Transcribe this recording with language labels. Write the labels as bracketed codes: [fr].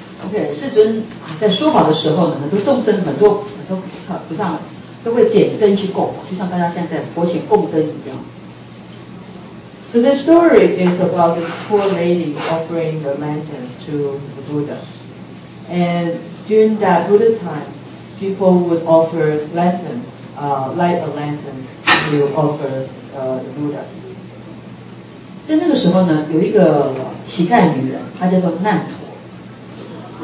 [zh] Okay, 世尊在说法的时候呢，很多众生很多菩萨都会点灯去供，就像大家现在在佛前供灯一样。 [en] So this story is about this poor lady offering the lantern to the Buddha. And during that Buddha times. People would offer lantern, light a lantern to offer the Buddha. [zh] 在那个时候呢，有一个乞丐女人，她叫做难陀。